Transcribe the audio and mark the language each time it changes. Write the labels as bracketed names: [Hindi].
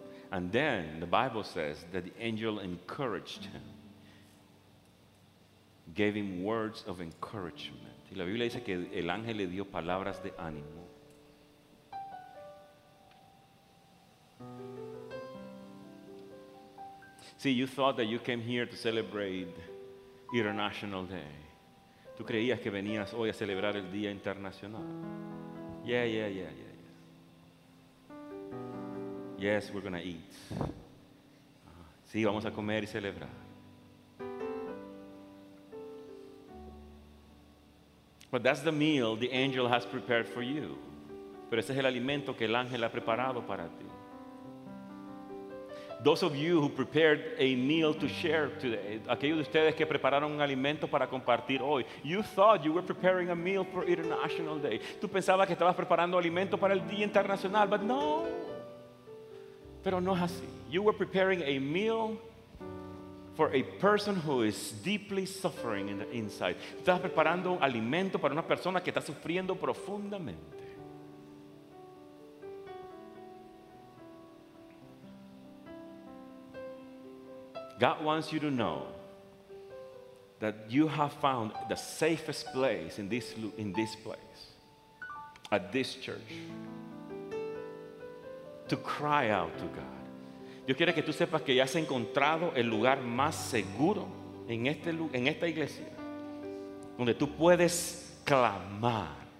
[English] And then the Bible says that the angel encouraged him, gave him words of encouragement. [Spanish] Y la Biblia dice que el ángel le dio palabras de ánimo. [English] See, you thought that you came here to celebrate International Day. [Spanish] Tú creías que venías hoy a celebrar el Día Internacional. [English] Yeah. Yes, we're going to eat. [Spanish] Sí, vamos a comer y celebrar. [English] But that's the meal the angel has prepared for you. [Spanish] Pero ese es el alimento que el ángel ha preparado para ti. [English] Those of you who prepared a meal to share today, [Spanish] aquellos de ustedes que prepararon un alimento para compartir hoy, [English] you thought you were preparing a meal for International Day. [Spanish] Tú pensabas que estabas preparando alimento para el Día Internacional, [English] but no. [Spanish] Pero no es así. [English] You were preparing a meal for a person who is deeply suffering in the inside. [Spanish] Estás preparando un alimento para una persona que está sufriendo profundamente. [English] God wants you to know that you have found the safest place in this place, at this church, to cry out to God. [Spanish] Dios quiere que tú sepas que ya has encontrado el lugar más seguro en esta iglesia, donde tú puedes clamar.